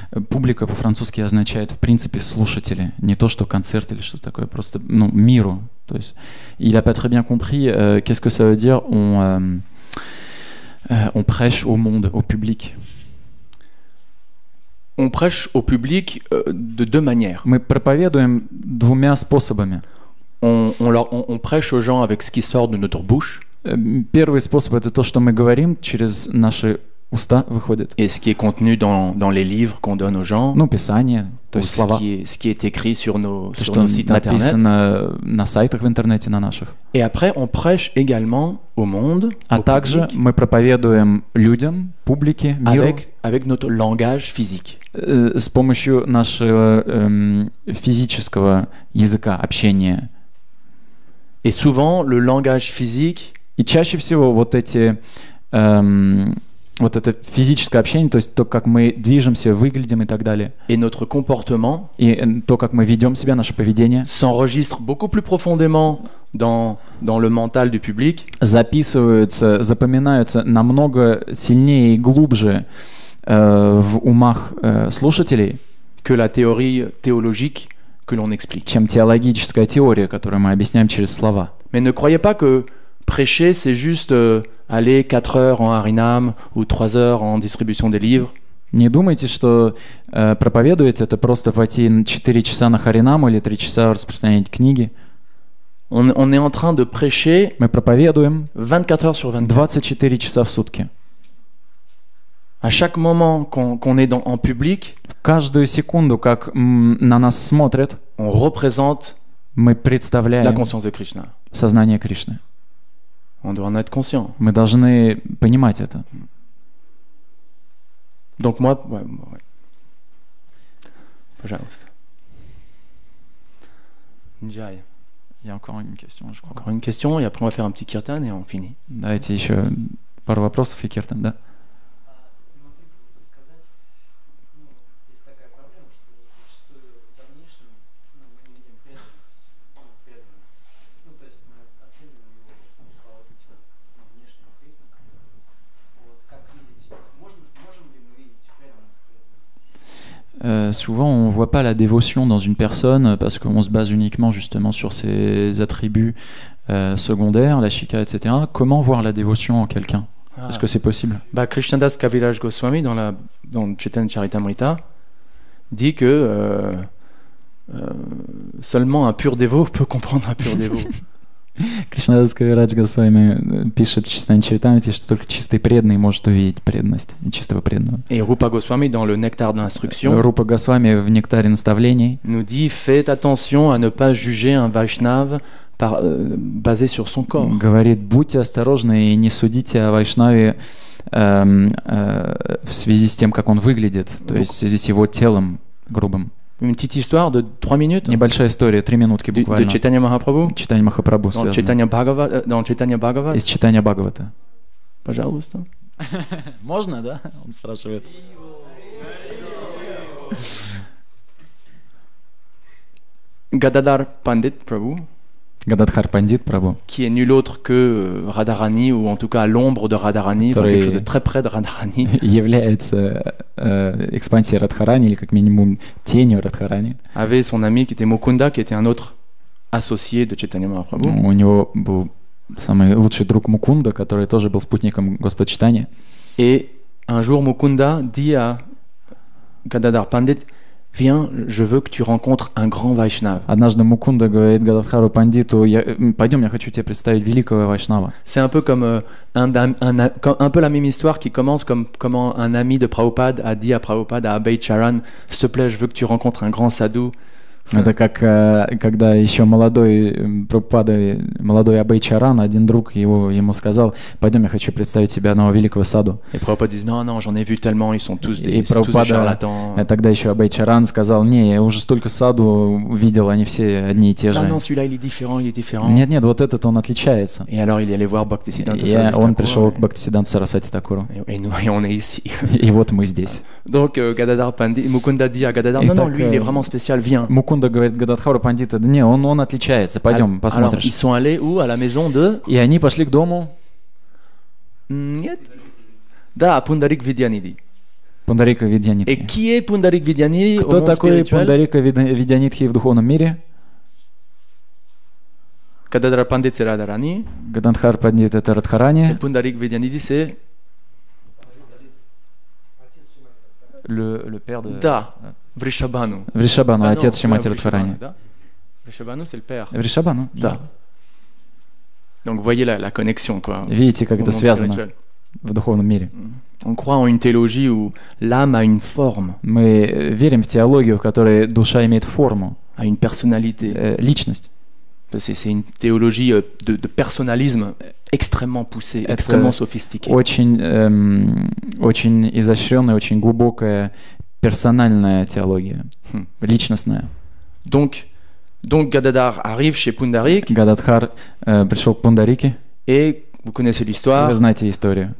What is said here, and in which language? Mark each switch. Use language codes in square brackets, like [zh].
[ru] Публика по-французски означает в принципе слушатели, не то что концерт или что такое, просто ну миру. То есть [fr] il a pas très bien compris qu'est-ce que ça veut dire on prêche au monde, au public. On prêche au public de deux manières. [ru] Мы проповедуем двумя способами. [fr] On prêche aux gens avec ce qui sort de notre bouche. [ru] Первый способ — это то, что мы говорим через наши уста выходит. И что [fr] contenu dans les livres qu'on donne aux gens. [ru] Ну, писание, то есть слова. [fr] Ce qui est écrit sur nos sites internet. [ru] То, что написано на сайтах в интернете, на наших. [fr] Et après, on prêche également au monde. [ru] А также мы проповедуем людям, публике, миру. [fr] Avec notre langage physique. [ru] С помощью нашего физического языка общения. [fr] Et souvent, le langage physique. [ru] И чаще всего вот эти вот это физическое общение, то есть то, как мы движемся, выглядим и так далее. [fr] Et notre comportement. [ru] И то, как мы ведем себя, наше поведение. [fr] S'enregistre beaucoup plus profondément dans le mental du public. [ru] Записываются, запоминаются намного сильнее и глубже в умах слушателей. [fr] Que la théorie théologique que l'on explique. [ru] Чем теологическая теория, которую мы объясняем через слова. [fr] Mais ne croyez pas que prêcher, c'est juste aller 4 heures en Аринам ou 3 heures en distribution des livres. [ru] Не думайте, что проповедовать это просто пойти 4 часа на Аринам или 3 часа распространять книги. [fr] On est en train de prêcher. [ru] Мы проповедуем [fr] 24 heures sur 24. [ru] 24 часа в сутки. [fr] À chaque moment qu'on est en public. [ru] Каждую секунду, как на нас смотрят. [fr] On représente. [ru] Мы представляем. [fr] La conscience de Krishna. [ru] Сознание Кришны. [fr] On doit en être conscient. [ru] Мы должны понимать это. [fr] Donc moi, ouais. [ru] Пожалуйста. Джай. [fr] Il y a encore une question, je crois. Encore une question, et après on va faire un petit kirtan et on finit. [ru] Давайте еще пару вопросов и киртан, да. [fr] Souvent, on ne voit pas la dévotion dans une personne parce qu'on se base uniquement justement sur ses attributs secondaires, la shika, etc. Comment voir la dévotion en quelqu'un ? Est-ce que c'est possible ? Bah, Krishnadas Kaviraj Goswami, dans Chaitanya Charitamrita, dit que seulement un pur dévot peut comprendre un pur dévot. [ru] Кришнадас Кавирадж Госвами пишет в Чайтанья Чаритамрите, что только чистый преданный может увидеть преданность и чистого преданного. [fr] И Рупа Госвами dans le nectar d'instruction. [ru] Рупа Госвами в нектаре наставлений. [fr] Nous dit faites attention à ne pas juger un Vaishnava basé sur son corps. [ru] Говорит, будьте осторожны и не судите о Вайшнаве в связи с тем, как он выглядит, то есть в связи с его телом грубым. [fr] Une petite histoire de 3 minutes. [ru] Небольшая история, 3 минутки буквально. [fr] De Chaitanya Mahaprabhu. Chaitanya Mahaprabhu. Dans Chaitanya Bhagavata. [ru] Из Chaitanya Bhagavata. Пожалуйста. Можно, да? Он спрашивает. [fr] Gadadhar Pandit Prabhu. Gadadhar Pandit Prabhu. Qui est nul autre que Radharani ou en tout cas l'ombre de Radharani, quelque chose de très près de Radharani. [ru] Является экспансией Радхарани или как минимум тенью Радхарани. [fr] Avait son ami qui était Mukunda, qui était un autre associé de Chaitanya Mahaprabhu. [ru] У него был самый лучший друг Mukunda, который тоже был спутником Господа Чайтаньи. [fr] Et un jour Mukunda dit à Gadadhar Pandit: «Viens, je veux que tu rencontres un grand Vaishnava». [ru] Однажды Мукунда говорит Гададхару Пандиту: «Пойдем, я хочу тебе представить великого Вайшнава». [fr] C'est un peu comme un peu la même histoire qui commence comment un ami de Prabhupada a dit à Prabhupada, à Abhay Charan: «S'il te plaît, je veux que tu rencontres un grand sadhu». [ru] Это как когда еще молодой Прабхупада, молодой Абхай Чаран, один друг ему сказал: «Пойдем, я хочу представить тебе одного великого саду». И Прабхупада говорит: [fr] «Non, j'en ai vu tellement, ils sont tous des charlatans». [ru] Тогда еще Абхай Чаран сказал: «Не, я уже столько саду видел, они все одни и те же». [fr] «Non, celui-là, il est différent». [ru] «Нет, вот этот, он отличается». И [fr] alors, il est allé voir Bhaktisiddhanta Sarasvati Thakura. [ru] Он пришел к Bhaktisiddhanta Sarasvati Thakura. [fr] Et on est ici. [ru] И вот мы здесь. [fr] Donc, Gadadhar Pandit, Mukunda dit à Gadadhar: «Non, lui, il est vraiment spécial, viens». [ru] Мукунда говорит Гададхару Пандита: «Не, он отличается, пойдем, посмотришь». [fr] Alors, ils sont allés où? À la maison de... [ru] И они пошли к дому. Нет. Да, Пундарик Видьяниди. Пундарика Видьяниди. [fr] Et qui est Пундарик Видьяниди? [ru] Кто такой Пундарика Видьянидхи в духовном мире? Гададхар Пандит — это Радхарани. Гададхар Пандит — это Радхарани. [fr] Et Пундарик Видьяниди — [ru] это... [fr] Le père de... [ru] Да. Vrishabhanu. Vrishabhanu, отец Шримати Радхарани. [fr] Vrishabhanu, c'est le père. Vrishabhanu. [ru] Да. [fr] Donc voyez la connexion, quoi. [ru] Видите, как это связано. в духовном мире. [fr] On croit en une théologie où l'âme a une forme. [ru] Мы верим в теологию, в которой душа имеет форму. [fr] A une personnalité. [ru] Личность. [fr] C'est une théologie de personnalisme extrêmement poussée, [ru] Это [fr] extrêmement sophistiquée. [ru] Очень изощренная, очень глубокая персональная теология, личностная. [fr] Donc Gadadhar arrive chez Pundarik. [ru] Gadadhar пришел к Пундарике. [fr] Et vous connaissez l'histoire. Vous [ru] знаете [fr] l'histoire.